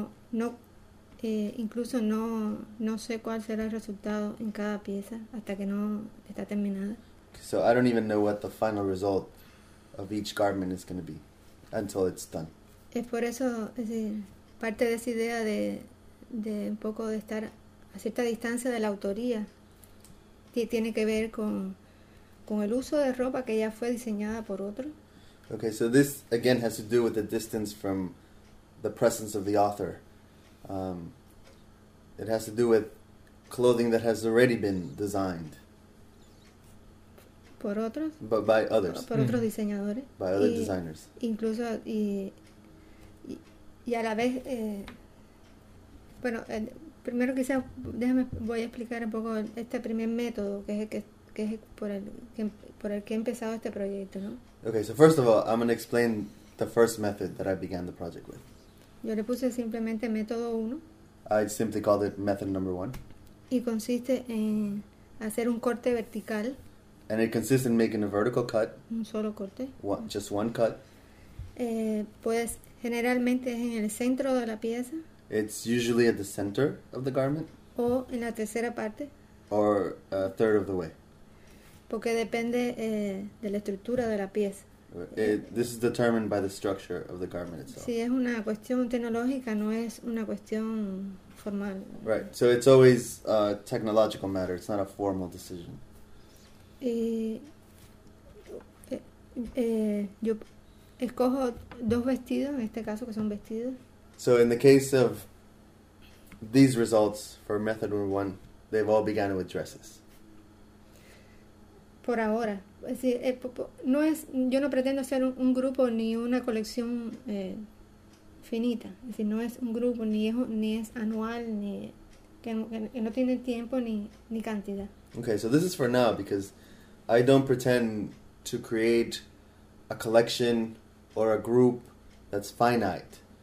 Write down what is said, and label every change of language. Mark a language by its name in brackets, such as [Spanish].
[Spanish] No sé cuál será el resultado en cada pieza hasta que no está terminada. [English] So I don't even know what the final result of each garment is going to be until it's done. [Spanish] Es por eso, es decir, parte de esa idea de un poco de estar a cierta distancia de la autoría que tiene que ver con el uso de ropa que ya fue diseñada por otro. [English] Okay, so this again has to do with the distance from the presence of the author. It has to do with clothing that has already been designed [Spanish] por otros, [English] but by others, [Spanish] por otros diseñadores, [English] by other designers. [Spanish] Incluso y a la vez bueno, primero quizás déjame voy a explicar un poco este primer método que es por el que he empezado este proyecto, ¿no? [English] Okay, so first of all, I'm going to explain the first method that I began the project with. [Spanish] Yo le puse simplemente método uno. [English] I simply called it method number one. [Spanish] Y consiste en hacer un corte vertical. [English] And it consists in making a vertical cut. [Spanish] Un solo corte. [English] Just one cut. [Spanish] Pues generalmente es en el centro de la pieza. [English] It's usually at the center of the garment. [Spanish] O en la tercera parte. [English] Or a third of the way. [Spanish] Porque depende de la estructura de la pieza. [English] This is determined by the structure of the garment itself. [Spanish] Sí, es una cuestión tecnológica, no es una cuestión formal. [English] Right, so it's always a technological matter, it's not a formal decision. [Spanish] Yo escojo dos vestidos, en este caso que son vestidos. [English] So in the case of these results for method number one, they've all began with dresses. [Spanish] Por ahora. Es decir, no es, yo no pretendo hacer un grupo ni una colección finita. Es decir, no es un grupo, ni es anual, que no tiene tiempo ni cantidad. [English] Okay, so this is for now, because I don't pretend to create a collection or a group that's finite.